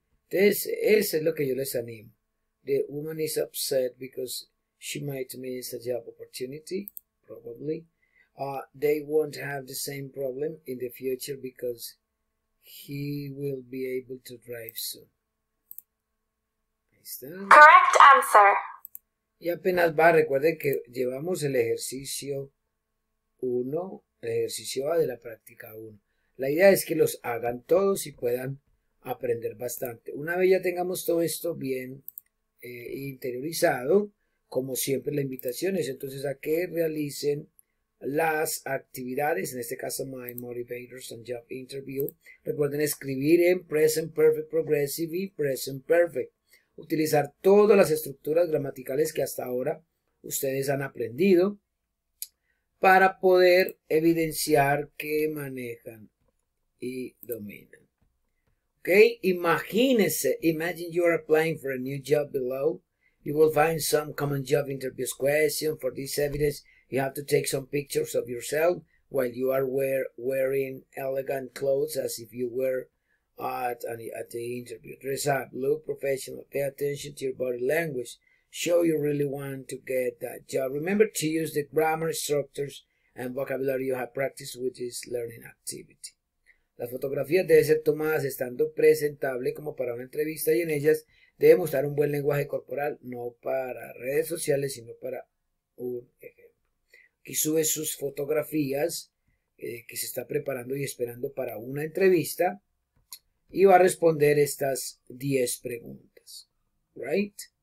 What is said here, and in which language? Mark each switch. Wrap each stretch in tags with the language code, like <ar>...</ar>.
<es>Entonces, eso es lo que yo les animo.</es> <en>The woman is upset because she might miss a job opportunity, probably. They won't have the same problem in the future because he will be able to drive soon.</en> <es>Ahí está.</es> <en>Correct answer.</en> <es>Y apenas va, recuerden que llevamos el ejercicio 1, el ejercicio A de la práctica 1. La idea es que los hagan todos y puedan aprender bastante. Una vez ya tengamos todo esto bien interiorizado, como siempre la invitación es entonces a que realicen las actividades, en este caso My Motivators and Job Interview. Recuerden escribir en Present Perfect Progressive y Present Perfect. Utilizar todas las estructuras gramaticales que hasta ahora ustedes han aprendido para poder evidenciar que manejan y dominan.</es> <en>Okay, imagine you are applying for a new job below. You will find some common job interviews questions. For this evidence, you have to take some pictures of yourself while you are wearing elegant clothes as if you were at the interview. Dress up, look professional, pay attention to your body language. Show you really want to get that job. Remember to use the grammar structures and vocabulary you have practiced with this learning activity.</en> <es>Las fotografías deben ser tomadas estando presentable como para una entrevista y en ellas debe mostrar un buen lenguaje corporal, no para redes sociales, sino para un ejemplo. Aquí sube sus fotografías que se está preparando y esperando para una entrevista y va a responder estas 10 preguntas. Right?</es>